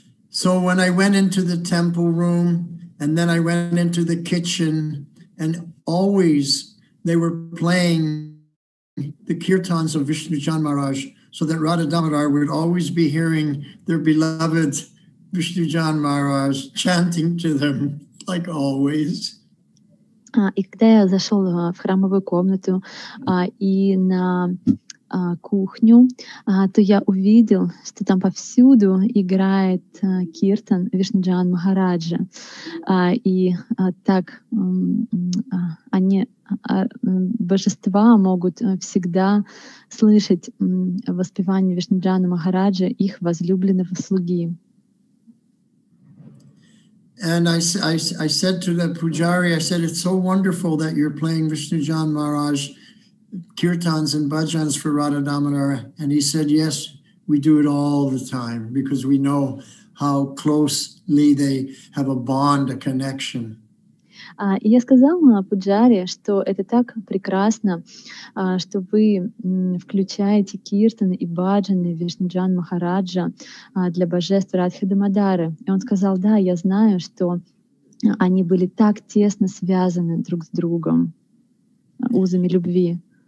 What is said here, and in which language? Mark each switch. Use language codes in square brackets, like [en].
[en] So when I went into the temple room and then I went into the kitchen and always they were playing the kirtans of Vishnu Jan Maharaj so that Radha Damodar would always be hearing their beloved Vishnu Jan Maharaj chanting to them like always. [ru] И когда я зашел в храмовую комнату и на кухню, то я увидел, что там повсюду играет киртан Вишнуджан Махараджа. И так они, божества, могут всегда слышать воспевание Вишнуджана Махараджа, их возлюбленного слуги. [en] And I said to the pujari, I said, it's so wonderful that you're playing Vishnujan Maharaj kirtans and bhajans for Radha Damodar. And he said, yes, we do it all the time because we know how closely they have a bond, a connection. [ru] И я сказала пуджаре, что это так прекрасно, что вы включаете киртаны и баджаны Вишнуджан Махараджа для божеств Радхи Дамодары. И он сказал, да, я знаю, что они были так тесно связаны друг с другом узами любви.